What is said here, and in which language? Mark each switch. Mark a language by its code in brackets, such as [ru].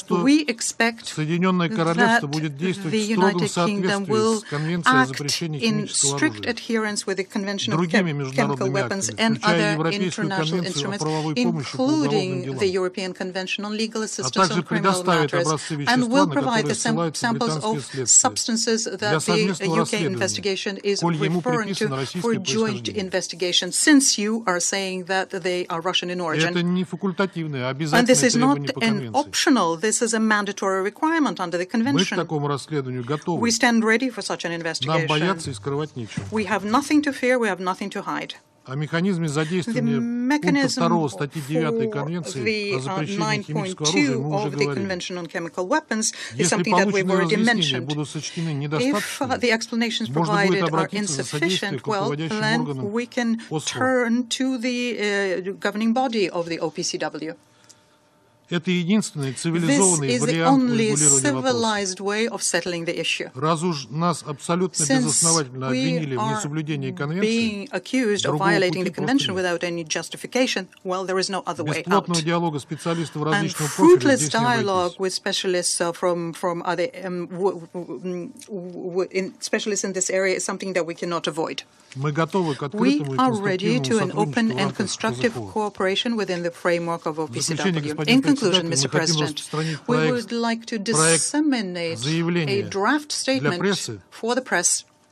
[en] we expect that the United Kingdom will act in strict adherence with the Convention of Chemical Weapons and other international instruments, including the European Convention on Legal Assistance on Criminal Matters, and will provide the samples of substances that the UK investigation is referring to. For joint investigation, since you are saying that they are Russian in origin. [ru] Это не факультативное, а обязательное требование по конвенции. [en] And this is not an optional. This is a mandatory requirement under the convention. [ru] Мы к такому расследованию готовы. [en] We stand ready for such an investigation. [ru] Нам бояться и скрывать нечего. [en] We have nothing to fear. We have nothing to hide. [ru] О механизме задействования пункта 2 статьи 9 Конвенции о запрещении химического оружия мы уже говорили. Если полученные разъяснения будут сочтены недостаточными, можно будет обратиться за содействием к руководящим органам ОСОВ. Это единственный цивилизованный вариант урегулирования вопроса. Раз уж нас абсолютно безосновательно обвинили в несоблюдении конвенции, другого пути просто нет. Бесплотного диалога специалистов различного профиля здесь не обойтись. Мы готовы к открытому и конструктивному сотрудничеству в рамках ОПЦВ. [en] conclusion, Mr. President, we would like to disseminate a draft statement for the press,